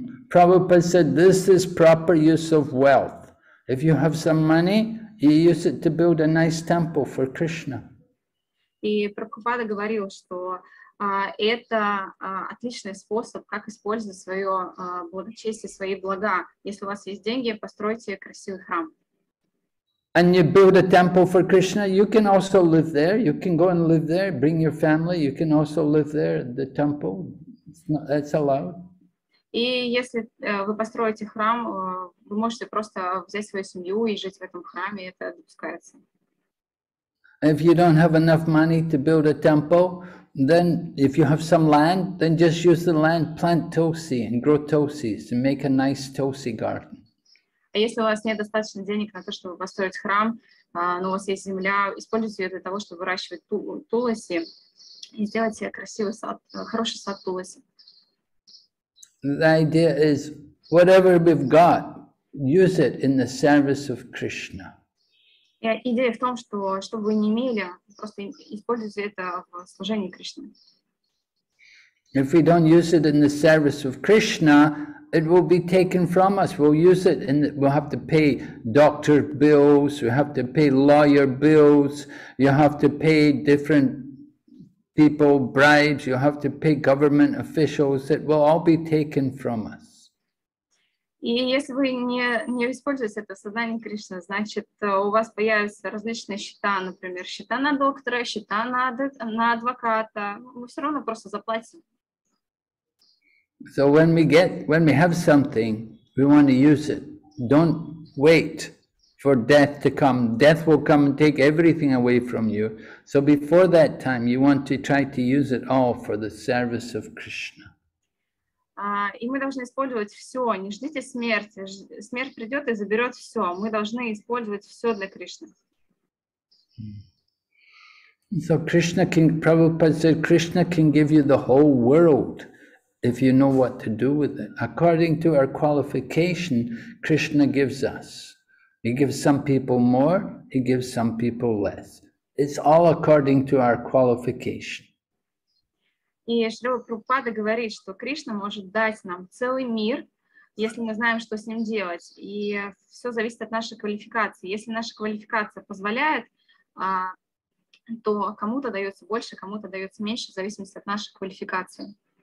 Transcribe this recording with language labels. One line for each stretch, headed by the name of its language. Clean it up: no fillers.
English: Prabhupada said, this is proper use of wealth. If you have some money, you use it to build a nice temple for Krishna.
Russian: И Прабхупада говорил, что это отличный способ, как использовать свое благочестие, свои блага. Если у вас есть деньги, постройте красивый храм.
English: And you build a temple for Krishna, you can also live there. You can go and live there, bring your family. You can also live there, the temple. It's allowed.
Russian: И если вы построите храм, вы можете просто взять свою семью и жить в этом храме, это допускается.
English: If you don't have enough money to build a temple, then if you have some land, then just use the land, plant tulsi and grow tulsi to make a nice tulsi garden.
Russian: А если у вас недостаточно денег на то, чтобы построить храм, но у вас есть земля, используйте ее для того, чтобы выращивать тулоси и сделать себе красивый сад, хороший сад тулоси.
English: The idea is, whatever we've got, use it in the service of Krishna.
Russian: Идея в том, что вы не имели, просто используйте это в служении Кришне.
English: If we don't use it in the service of Krishna, it will be taken from us. We'll use it and we'll have to pay doctor bills, we have to pay lawyer bills, you have to pay different people, bribes, you have to pay government officials, it will all be taken from us.
Russian: И если вы не используете это создание Кришны, значит, у вас появятся различные счета, например, счета на доктора, счета на адвоката. Вы все равно просто заплатите.
English: So when we get, when we have something, we want to use it. Don't wait for death to come. Death will come and take everything away from you. So before that time, you want to try to use it all for the service of Krishna.
Russian: И мы должны использовать все. Не ждите смерти. Смерть придет и заберет все. Мы должны использовать все для Кришны.
English: So Krishna can, Prabhupada said, Krishna can give you the whole world. If you know what to do with it. According to our qualification, Krishna gives us. He gives some people more, he gives some people less. It's all according to our qualification.
Russian: И Шри Прабхупада говорит, что Кришна может дать нам целый мир, если мы знаем, что с ним делать. И все зависит от нашей квалификации. Если наша квалификация позволяет, то кому-то дается больше, кому-то дается меньше, в зависимости от нашей квалификации.